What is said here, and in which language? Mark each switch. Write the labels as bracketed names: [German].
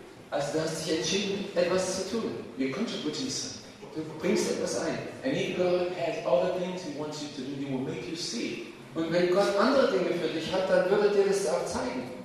[German] Also, du hast dich entschieden, etwas zu tun. [English] You're contributing something. [German] Du bringst etwas ein. [English] And if God has other things He wants you to do, He will make you see. [German] Und wenn Gott andere Dinge für dich hat, dann würde dir das auch zeigen.